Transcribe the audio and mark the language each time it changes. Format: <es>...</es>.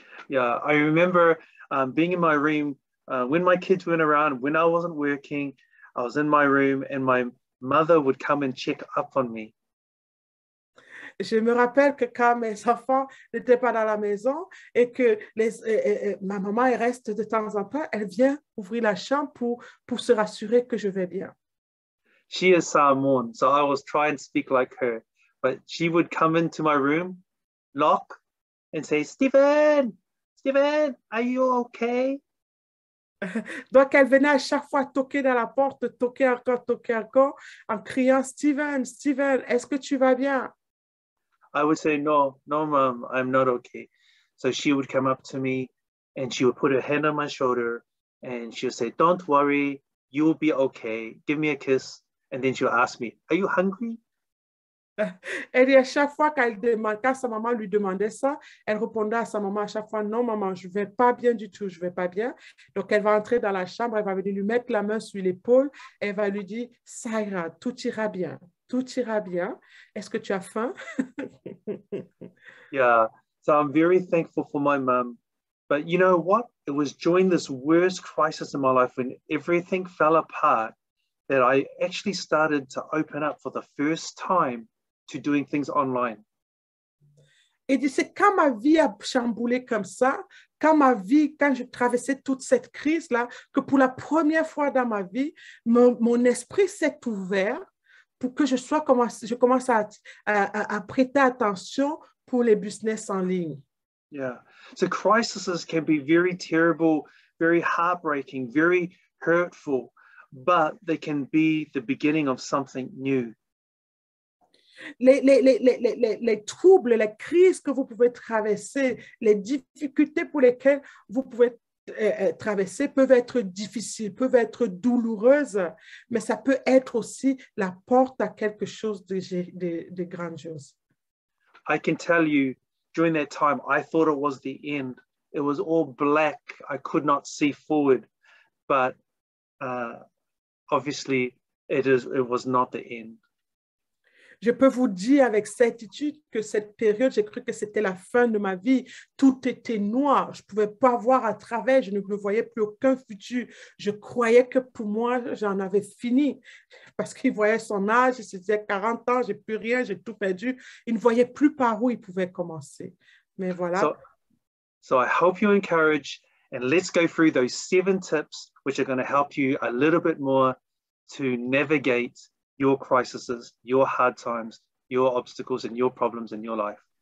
<en>Yeah, I remember being in my room when my kids weren't around, when I wasn't working, I was in my room and my mother would come and check up on me.</en> <fr>Je me rappelle que quand mes enfants n'étaient pas dans la maison et que ma maman reste de temps en temps, elle vient ouvrir la chambre pour se rassurer que je vais bien.</fr> <en>She is Samoan, so I was trying to speak like her. But she would come into my room, lock, and say, Stephen, are you okay? Donc elle venait à chaque fois toquer dans la porte, toquer encore, en criant, Stephen, est-ce que tu vas bien? I would say, no, mom, I'm not okay. So she would come up to me and she would put her hand on my shoulder and she would say, don't worry, you'll be okay. Give me a kiss. And then she would ask me, are you hungry?</en> <fr>Et à chaque fois quand sa maman lui demandait ça, elle répondait à sa maman à chaque fois, non, maman, je ne vais pas bien du tout. Donc elle va entrer dans la chambre, elle va venir lui mettre la main sur l'épaule, elle va lui dire, ça ira, tout ira bien. Est-ce que tu as faim?</fr> <en>Yeah, so I'm very thankful for my mom. But you know what? It was during this worst crisis in my life when everything fell apart that I actually started to open up for the first time to doing things online.</en> <fr>Et c'est quand ma vie a chamboulé comme ça, quand je traversais toute cette crise-là, que pour la première fois dans ma vie, mon esprit s'est ouvert pour que je commence à prêter attention pour les business en ligne.</fr> <en>Yeah. So crises can be very terrible, very heartbreaking, very hurtful, but they can be the beginning of something new.</en> <fr>Les troubles, les crises que vous pouvez traverser, les difficultés pour lesquelles vous pouvez traverser peuvent être difficiles, peuvent être douloureuses, mais ça peut être aussi la porte à quelque chose de grandiose.</fr> <en>I can tell you, during that time, I thought it was the end. It was all black. I could not see forward. But obviously, it was not the end.</en> <fr>Je peux vous dire avec certitude que cette période, j'ai cru que c'était la fin de ma vie. Tout était noir. Je ne pouvais pas voir à travers. Je ne me voyais plus aucun futur. Je croyais que pour moi, j'en avais fini. Parce qu'il voyait son âge, il se disait 40 ans, j'ai plus rien, j'ai tout perdu. Il ne voyait plus par où il pouvait commencer. Mais voilà.</fr> <en>So I hope you encourage and let's go through those 7 tips which are going to help you a little bit more to navigate your crises, your hard times, your obstacles and your problems in your life.</en>